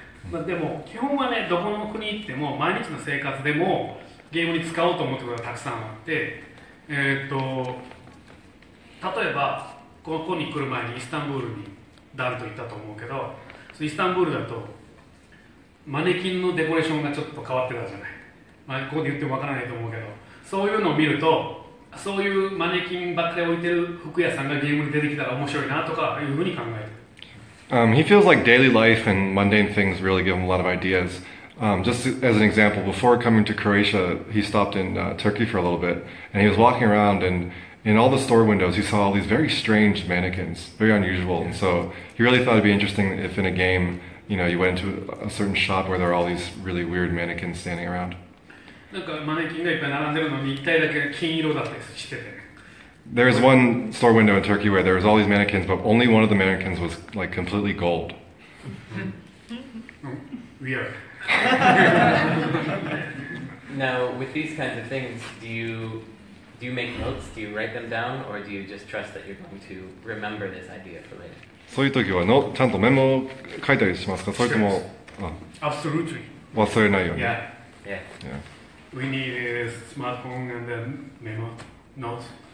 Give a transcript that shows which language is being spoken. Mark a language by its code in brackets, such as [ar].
[ja] まあでも基本はね、どこの国に行っても毎日の生活でもゲームに使おうと思うことがたくさんあって、例えばここに来る前にイスタンブールにダルと行ったと思うけど、そのイスタンブールだとマネキンのデコレーションがちょっと変わってたじゃない。まあ、ここで言っても分からないと思うけど、そういうのを見るとそういうマネキンばっかり置いてる服屋さんがゲームに出てきたら面白いなとかいうふうに考えてる。 [en] He feels like daily life and mundane things really give him a lot of ideas. Just as an example, before coming to Croatia, he stopped in Turkey for a little bit, and he was walking around, and in all the store windows, he saw all these very strange mannequins, very unusual. And so he really thought it'd be interesting if in a game, you know, you went into a certain shop where there are all these really weird mannequins standing around. There is one store window in Turkey where there was all these mannequins, but only one of the mannequins was like completely gold. Weird. Now, with these kinds of things, do you make notes? Do you write them down, or do you just trust that you're going to remember this idea for later? [ja] そういう時はノちゃんとメモを書いたりしますか？それとも、 [en] Absolutely. [ja] 忘れないように。 [en] Yeah. Yeah. Yeah. We need a smartphone and a memo, notes.